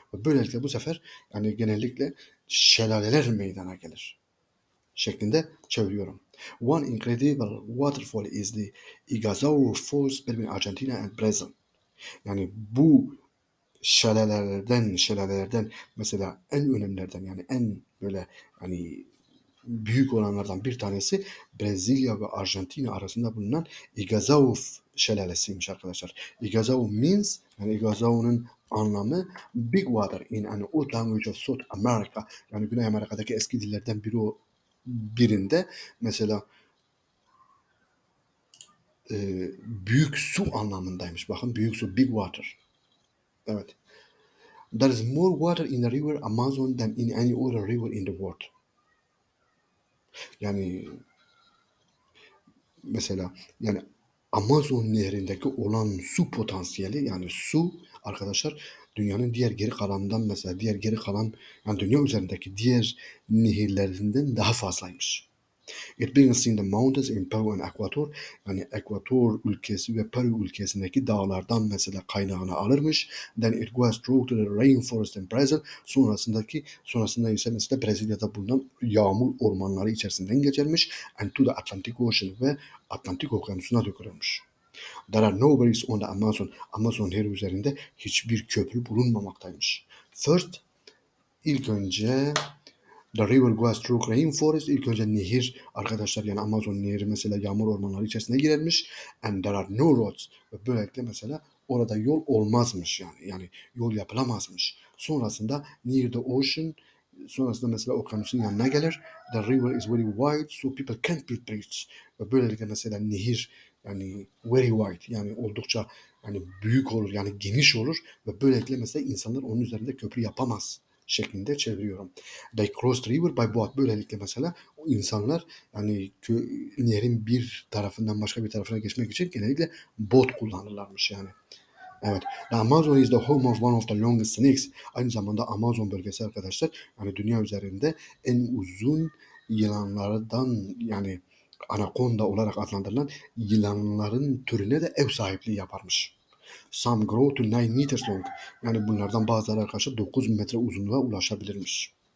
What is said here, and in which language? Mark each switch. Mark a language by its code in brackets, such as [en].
[tr] Böylelikle bu sefer yani genellikle şelaleler meydana gelir şeklinde çeviriyorum. [en] One incredible waterfall is the Iguazu Falls between Argentina and Brazil. [tr] Yani bu şelalelerden mesela en önemlilerden yani en böyle hani büyük olanlardan bir tanesi Brezilya ve Arjantin arasında bulunan Iguazu şelalesiymiş arkadaşlar. [en] Iguazu means [tr] yani Iguazu'nun anlamı [en] big water in an old language of South America. [tr] Yani Güney Amerika'daki eski dillerden biri birinde mesela büyük su anlamındaymış. Bakın büyük su [en] big water. [tr] Evet. [en] There is more water in the river Amazon than in any other river in the world. [tr] Yani mesela yani Amazon nehrindeki olan su potansiyeli yani su arkadaşlar dünyanın diğer geri kalanından mesela diğer geri kalan yani dünya üzerindeki diğer nehirlerinden daha fazlaymış. [en] It begins in the mountains in Peru and Ecuador. [tr] Yani Ekvator ülkesi ve Peru ülkesindeki dağlardan mesela kaynağını alırmış. [en] Then it goes through to the rainforest in Brazil. [tr] Sonrasında ise mesela Brezilya'da bulunan yağmur ormanları içerisinden geçermiş. [en] And to the Atlantic Ocean [tr] ve Atlantik Okyanusu'na dökülmüş. [en] There are no bridges on the Amazon. [tr] Amazon her üzerinde hiçbir köprü bulunmamaktaymış. [en] First, [tr] ilk önce [en] the river goes through rainforest. [tr] İlk önce nehir arkadaşlar yani Amazon nehri mesela yağmur ormanları içerisine girermiş. [en] And there are no roads. [tr] Ve böylelikle mesela orada yol olmazmış yani. Yani yol yapılamazmış. Sonrasında [en] near the ocean. [tr] Sonrasında mesela okyanusun yanına gelir. [en] The river is very wide so people can't build bridges. [tr] Ve böylelikle mesela nehir yani [en] very wide. [tr] Yani oldukça yani büyük olur. Yani geniş olur. Ve böylelikle mesela insanlar onun üzerinde köprü yapamaz şeklinde çeviriyorum. [en] They cross the river by boat. [tr] Böylelikle mesela o insanlar yani nehrin bir tarafından başka bir tarafına geçmek için genellikle bot kullanırlarmış yani. Evet. [en] The Amazon is the home of one of the longest snakes. [tr] Aynı zamanda Amazon bölgesi arkadaşlar yani dünya üzerinde en uzun yılanlardan yani anakonda olarak adlandırılan yılanların türüne de ev sahipliği yaparmış. [en] Some grow to 9 meters long. [tr] Yani bunlardan bazıları arkadaşlar 9 metre uzunluğa ulaşabilirmiş.